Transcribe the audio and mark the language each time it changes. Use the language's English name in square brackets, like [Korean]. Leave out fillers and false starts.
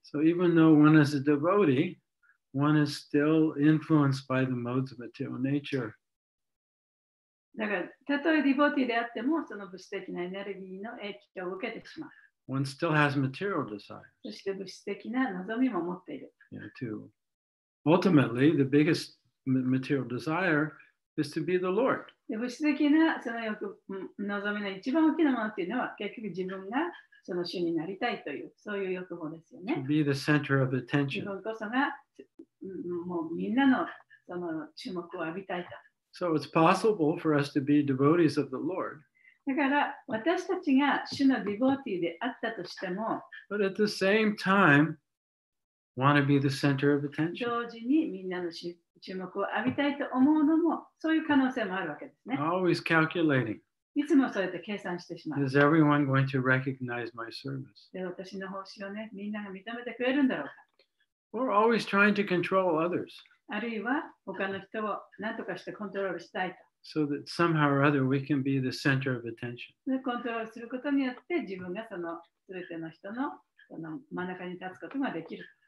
[English] So even though one is a devotee, one is still influenced by the modes of material nature. [Japanese] だからたとえディボティであってもその物質的なエネルギーの影響を受けてしまう。 [English] One still has material desires. [Japanese] そして物質的な望みも持っている。 [English] Yeah, too. Ultimately, the biggest material desire is to be the Lord. [Japanese] で物質的なその望みの一番大きなものっていうのは結局自分がその主になりたいというそういう欲望ですよね。 [English] To be the center of attention. [Japanese] 自分こそがもうみんなのその注目を浴びたいと。 [English] So it's possible for us to be devotees of the Lord. [Japanese] だから私たちが主のディボーティーであったとしても、 [English] But at the same time, want to be the center of attention. [Japanese] 同時にみんなの注目を浴びたいと思うのもそういう可能性もあるわけですね。 [English] Always calculating. [Japanese] いつもそうやって計算してしまう。 [English] Is everyone going to recognize my service? [Japanese] で、私の奉仕をね、みんなが認めてくれるんだろうか。 [English] We're always trying to control others. [Japanese] あるいは他の人を何とかしてコントロールしたいと。 [English] So that somehow or other we can be the center of attention. [Japanese] で、コントロールすることによって自分がその全ての人のその真ん中に立つことができる。